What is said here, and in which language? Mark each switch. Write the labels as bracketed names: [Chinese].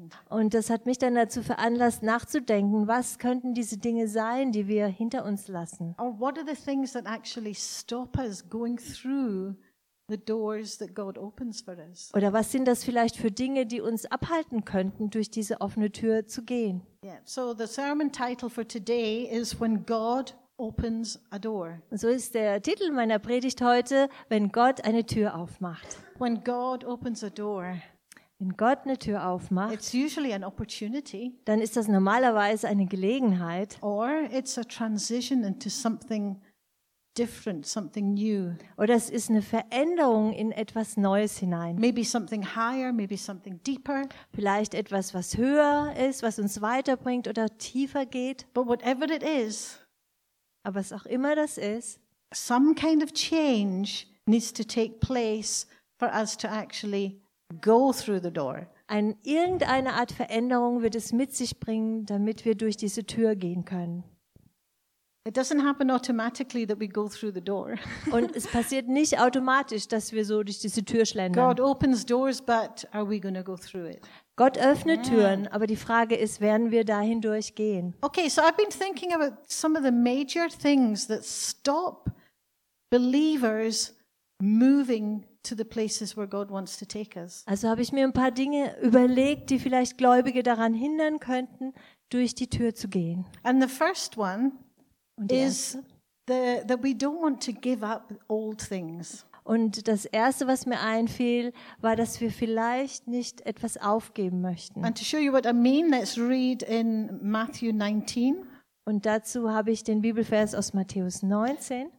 [German] Und das hat mich dann dazu veranlasst, nachzudenken, was könnten diese Dinge sein, die wir hinter uns lassen? [English] Or what are the things that actually stop us going through the doors that God opens for us. [German] Oder was sind das vielleicht für Dinge, die uns abhalten könnten, durch diese offene Tür zu gehen? [English] Yeah. So the sermon title for today is When God Opens a Door. [German] So ist der Titel meiner Predigt heute, wenn Gott eine Tür aufmacht. [English] When God opens a door. [German] Wenn Gott eine Tür aufmacht, [English] it's usually an opportunity, [German] dann ist das normalerweise eine Gelegenheit. [English] Or it's a transition into something different, something new. [German] Oder es ist eine Veränderung in etwas Neues hinein. [English] Maybe something higher, maybe something deeper. [German] Vielleicht etwas, was höher ist, was uns weiterbringt oder tiefer geht. [English] But whatever it is, [German] aber was auch immer das ist, [English] some kind of change needs to take place for us to actually go through the door. [German] Irgendeine Art Veränderung wird es mit sich bringen, damit wir durch diese Tür gehen können. [English] It doesn't happen automatically that we go through the door. [German] Und es passiert nicht automatisch, dass wir so durch diese Tür schlendern. [English] God opens doors, but are we going to go through it? [German] Gott öffnet Türen, aber die Frage ist, werden wir da hindurch gehen? [English] Okay, so I've been thinking about some of the major things that stop believers moving to the places where God wants to take us. [German] Also habe ich mir ein paar Dinge überlegt, die vielleicht Gläubige daran hindern könnten, durch die Tür zu gehen. [English] And the first one is that we don't want to give up old things. [German] Und das erste, was mir einfiel, war, dass wir vielleicht nicht etwas aufgeben möchten. [English] And to show you what I mean, let's read in Matthew 19. [German] Und dazu habe ich den Bibelvers aus Matthäus 19.